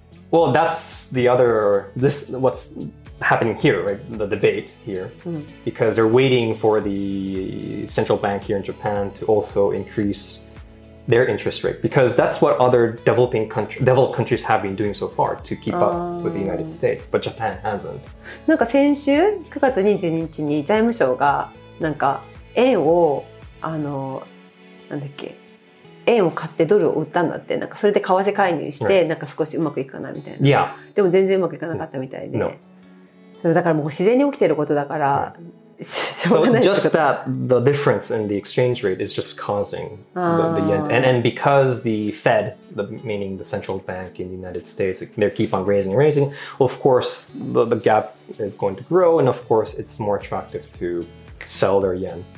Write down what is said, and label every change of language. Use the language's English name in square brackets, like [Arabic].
[English] Well, that's the other, this, what's happening here, right? The debate here. Because they're waiting for the central bank here in Japan to also increase their interest rate. Because that's what other developed countries have been doing so far to keep up with the United States. But Japan hasn't. [Japanese] なんか先週、9月22日に財務省がなんか円をなんだっけ円を買ってドルを売ったんだってなんかそれで為替介入して、right. なんか少しうまくいくかなみたいな、 [English] yeah. [Japanese] でも全然うまくいかなかったみたいで、 [English] no. [Japanese] それだからもう自然に起きてることだから、 [English] right. [Japanese] しょうがない [English] So just that the difference in the exchange rate is just causing the yen and because the Fed the meaning the central bank in the United States they keep on raising of course the gap is going to grow and of course it's more attractive toto sell their yen.